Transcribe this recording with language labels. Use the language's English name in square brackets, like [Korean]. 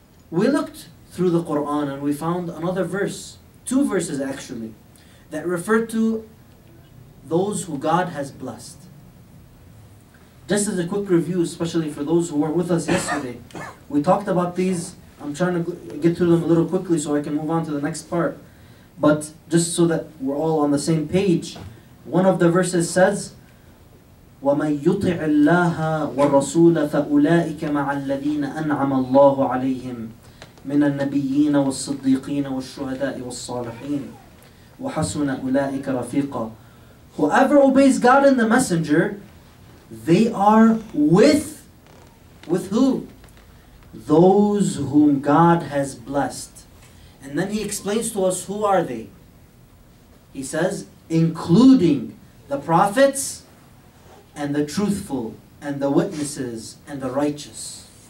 [English] We looked through the Quran and we found another verse, two verses actually, that refer to those who God has blessed. Just as a quick review, especially for those who were with us yesterday, we talked about these. I'm trying to get through them a little quickly so I can move on to the next part. But just so that we're all on the same page, one of the verses says, [Arabic] وَمَنْ يُطِعِ اللَّهَ وَالرَّسُولَ فَأُولَٰئِكَ مَعَ الَّذِينَ أَنْعَمَ اللَّهُ عَلَيْهِمْ مِنَ النَّبِيِّينَ وَالصِّدِّيقِينَ وَالشُّهَدَاءِ وَالصَّالِحِينَ وَحَسُنَ أُولَٰئِكَ رَفِيقًا. [English] Whoever obeys God and the Messenger, they are with who? Those whom God has blessed. And then he explains to us, who are they? He says, including the prophets and the truthful and the witnesses and the righteous.